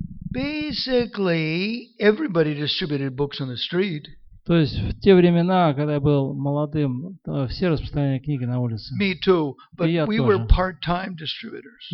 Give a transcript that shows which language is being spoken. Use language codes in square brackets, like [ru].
[en] Basically, everybody distributed books on the street. [ru] То есть в те времена, когда я был молодым, все распространяли книги на улице. [en] Me too, but we were part-time distributors.